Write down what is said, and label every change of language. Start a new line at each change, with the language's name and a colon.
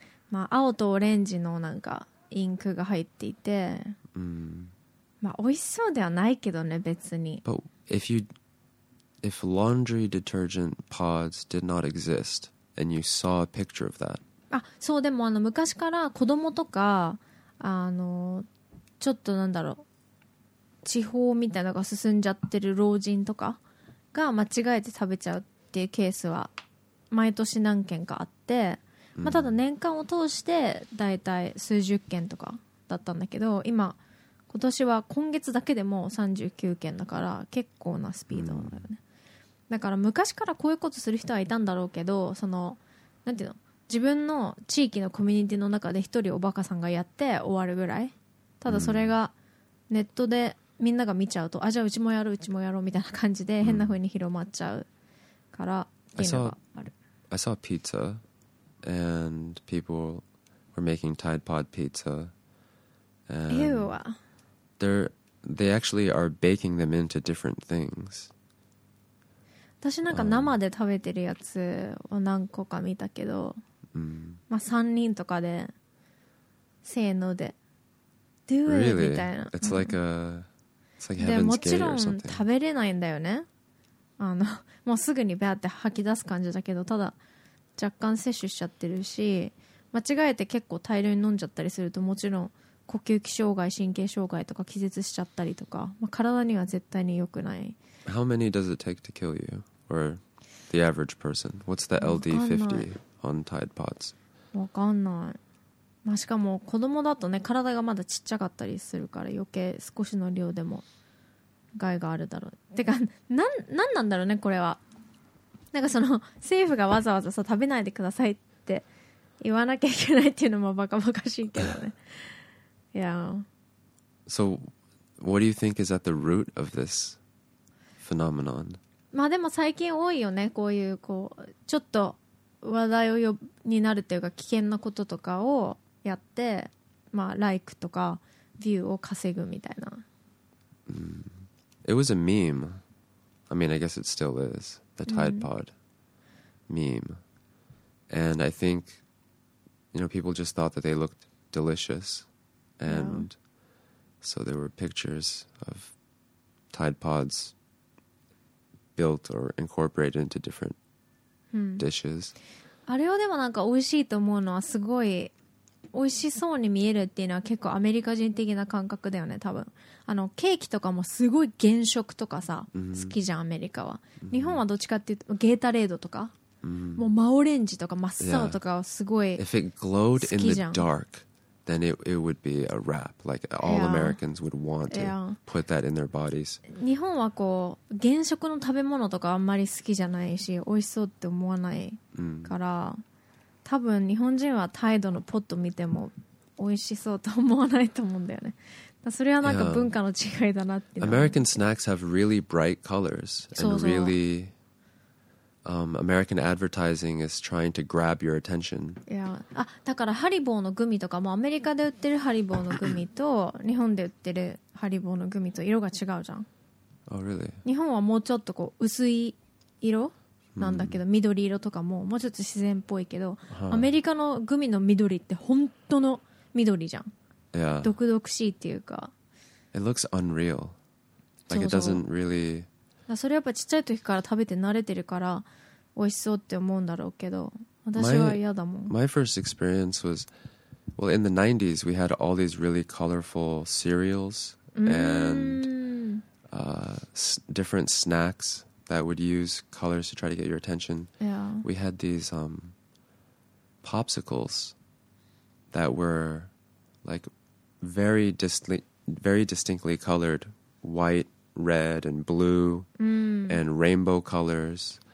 Japanese: まあ青とオレンジのなんかインクが入っていて、まあ美味しそうではないけどね、別に。
English: But if laundry detergent pods did not exist and you saw a picture of that.
Japanese: あ、そう、でもあの昔から子供とか、あのちょっとなんだろう、地方みたいなのが進んじゃってる老人とかが間違えて食べちゃうっていうケースは毎年何件かあって、まあ、ただ年間を通してだいたい数十件とかだったんだけど、今今年は今月だけでも39件だから結構なスピードだよね。だから昔からこういうことする人はいたんだろうけど、そのなんていうの、自分の地域のコミュニティの中で一人おバカさんがやって終わるぐらい、ただそれがネットでみんなが見ちゃうと、あ、じゃあうちもやろう、うちもやろうみたいな感じで変な風に広まっちゃうからっていうのがある。
English: I saw pizza and people were making Tide Pod pizza. Ew. They actually are baking them into different things.
Japanese: 私なんか生で食べてるやつを何個か見たけど、まあ3人とかで、せーので、
English: Really? It's like a it's like heaven's gate or something.
Japanese: でもちろん食べれないんだよね。あのもうすぐにバーって吐き出す感じだけど、ただ若干摂取しちゃってるし、間違えて結構大量に飲んじゃったりすると、もちろん呼吸器障害、神経障害とか気絶しちゃったりとか、まあ、体には絶対に良くない。
English: How many does it take to kill you, or the average person? What's the LD50 on Tide Pods?
Japanese: わかんない。まあ、しかも子供だとね、体がまだちっちゃかったりするから余計少しの量でも害があるだろう。てか何なんだろうね、これは。なんかその政府がわざわざさ、食べないでくださいって言わなきゃいけないっていうのもバカバカしいけどね。いや、
English: So what do you think is at the root of this phenomenon?
Japanese: まあでも最近多いよね、こういうこうちょっと話題を呼ぶになるというか、危険なこととかをやって、まあ、like とか view を稼ぐみたいな。
English: It was a meme. I mean, I guess it still is. The Tide Pod meme. And I think, you know, people just thought that they looked delicious. And so there were pictures of Tide Pods built or incorporated into different dishes.
Japanese: あれをでもなんか美味しいと思うのはすごい、美味しそうに見えるっていうのは結構アメリカ人的な感覚だよね、多分。あのケーキとかもすごい原色とかさ、好きじゃんアメリカは。日本はどっちかっていうとゲータレードとか、もう真オレンジとか真っ青とかはすごい好きじゃん。
English: If it glowed in the dark, then it would be a wrap. Like all Americans would want to put that in their bodies.
Japanese: 日本はこう原色の食べ物とかあんまり好きじゃないし、美味しそうって思わないから、多分日本人はタイのポット見ても美味しそうと思わないと思うんだよね。それはなんか文化の違いだなって。
English: American snacks have really bright colors and really American advertising is trying to grab your attention. Yeah.
Japanese: あ、だからハリボーのグミとかもアメリカで売ってるハリボーのグミと日本で売ってるハリボーのグミと色が違うじゃん。
English: Oh, really?
Japanese: 日本はもうちょっとこう薄い色なんだけど、緑色とかももうちょっと自然っぽいけど、アメリカのグミの緑って本当の緑じゃん。
English: Yeah.
Japanese: 毒々しいっていうか。
English: It looks unreal. Like it doesn't really...
Japanese: それやっぱちっちゃい時から食べて慣れてるから美味しそうって思うんだろうけど、私は嫌だもん。
English: My first experience was, well, in the 90s, we had all these really colorful cereals and different snacks that would use colors to try to get your attention. Yeah. We had these popsicles that were like very distinctly colored, white,red and blue and rainbow colors.